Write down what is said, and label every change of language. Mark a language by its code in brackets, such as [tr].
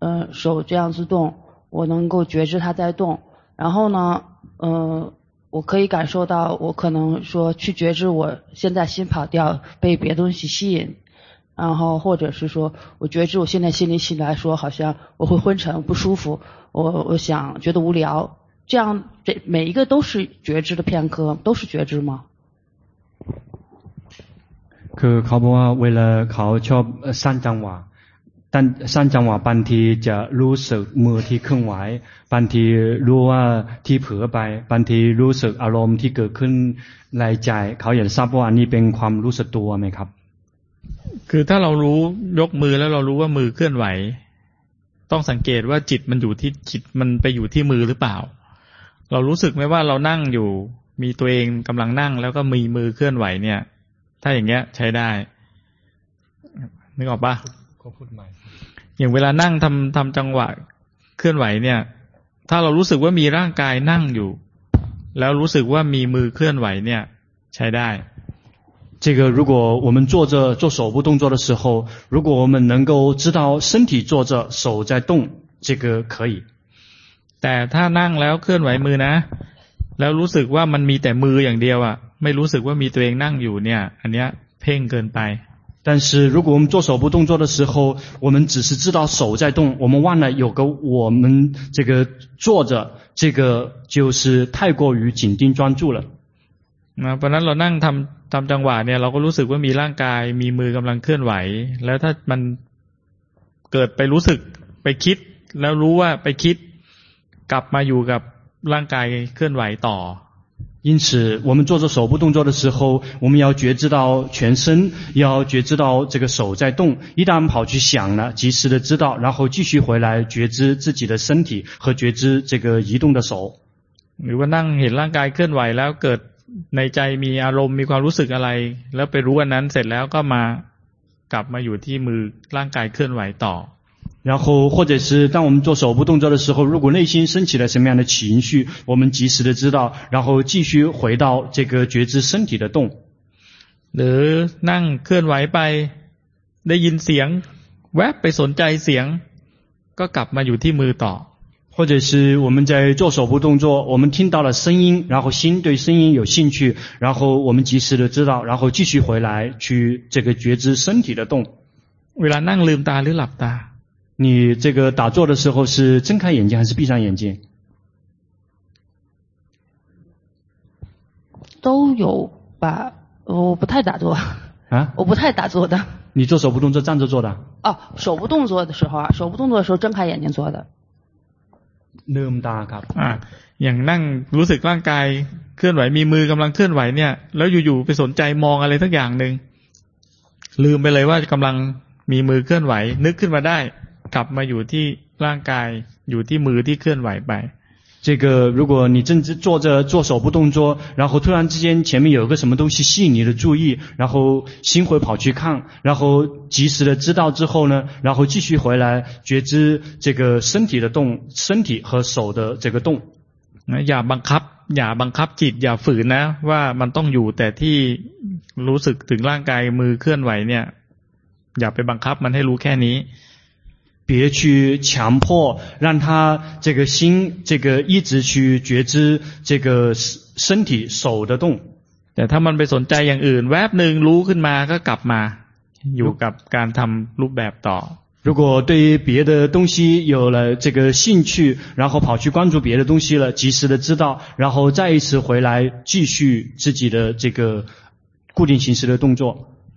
[zh] 手这样子动我能够觉知它在动然后呢我可以感受到我可能说去觉知我现在心跑掉被别的东西吸引然后或者是说我觉知我现在心里起来说好像我会昏沉不舒服我想觉得无聊这样这每一个都是觉知的片刻都是觉知吗 [th] คือเขาบอกว่าเวลาเขาชอบสร้างจังหวะสร้างจังหวะบางทีจะรู้สึกมือที่เคลื่อนไหวบางทีรู้ว่าที่เผลอไปบางทีรู้สึกอารมณ์ที่เกิดขึ้นในใจเขาอยากทราบว่าอันนี้เป็นความรู้สึกตัวไหมครับ คือถ้าเรารู้ยกมือแล้วเรารู้ว่ามือเคลื่อนไหวต้องสังเกตว่าจิตมันอยู่ที่จิตมันไปอยู่ที่มือหรือเปล่าเรารู้สึกไหมว่าเรานั่งอยู่มีตัวเองกำลังนั่งแล้วก็มีมือเคลื่อนไหวเนี่ยถ้าอย่างเงี้ยใช้ได้นึกออกปะ ก็พูดใหม่อ ย่างเวลานั่งทำจังหวะเคลื่อนไหวเนี่ยถ้าเรารู้สึกว่ามีร่างกายนั่งอยู่แล้วรู้สึกว่ามีมือเคลื่อนไหวเนี่ยใช้ได้ [zh] 这个如果我们坐着做手部动作的时候，如果我们能够知道身体坐着手在动，这个可以。 [th] แต่ถ้านั่งแล้วเคลื่อนไหวมือนะแล้วรู้สึกว่ามันมีแต่มืออย่างเดียวอ่ะไม่รู้สึกว่ามีตัวเองนั่งอยู่เนี่ยอันเนี้ยเพ่งเกินไป [zh] 但是如果我们做手部动作的时候，我们只是知道手在动，我们忘了有个我们这个坐着，这个就是太过于紧盯专注了。那本来 [th] เรานั่งทำจังหวะเนี่ยเราก็รู้สึกว่ามีร่างกายมีมือกำลังเคลื่อนไหวแล้วถ้ามันเกิดไปรู้สึกไปคิดแล้วรู้ว่าไปคิดกลับมาอยู่กับร่างกายเคลื่อนไหวต่อ [zh] 因此我们做着手部动作的时候我们要觉知到全身要觉知到这个手在动一旦跑去想了及时的知道然后继续回来觉知自己的身体和觉知这个移动的手如果 [th] นั่งเห็นร่างกายเคลื่อนไหวแล้วเกิดในใจมีอารมณ์มีความรู้สึกอะไรแล้วไปรู้อันนั้นเสร็จแล้วก็มากลับมาอยู่ที่มือร่างกายเคลื่อนไหวต่อ [zh] 然后或者是当我们做手部动作的时候如果内心升起了什么样的情绪我们及时的知道然后继续回到这个觉知身体的动 [th] หรือนั่งเคลื่อนไหวไปได้ยินเสียงแวบไปสนใจเสียงก็กลับมาอยู่ที่มือต่อ [zh] 或者是我们在做手部动作我们听到了声音然后心对声音有兴趣然后我们及时的知道然后继续回来去这个觉知身体的动 [th] เวลานั่งลืมตาหรือหลับตา [zh] 你这个打坐的时候是睁开眼睛还是闭上眼睛都有吧我不太打坐啊，我不太打坐的你做手部动作站着做的哦，手部动作的时候啊，手部动作的时候睁开眼睛做的 [th] ลืมตาครับ อย่างนั่งรู้สึกร่างกายเคลื่อนไหวมีมือกำลังเคลื่อนไหวเนี่ยแล้วอยู่ๆไปสนใจมองอะไรทั้งอย่างหนึ่งลืมไปเลยว่ากำลังมีมือเคลื่อนไหวนึกขึ้นมาได้กลับมาอยู่ที่ร่างกายอยู่ที่มือที่เคลื่อนไหวไป [zh] 这个如果你正坐着做手部动作然后突然之间前面有个什么东西吸引你的注意然后心会跑去看然后及时的知道之后呢然后继续回来觉知这个身体的动身体和手的这个动 [th] อย่าบังคับอย่าบังคับจิตอย่าฝืนนะว่ามันต้องอยู่แต่ที่รู้สึกถึงร่างกายมือเคลื่อนไหวเนี่ยอย่าไปบังคับมันให้รู้แค่นี้ [zh] 别去强迫让他这个心这个一直去觉知这个身体手的动 [th] แต่ถ้ามันไปสนใจอย่างอื่นแวบหนึ่งรู้ขึ้นมาก็กลับมาอยู่กับการทำรูปแบบต่อ [zh] 如果对于别的东西有了这个兴趣然后跑去关注别的东西了及时的知道然后再一次回来继续自己的这个固定形式的动作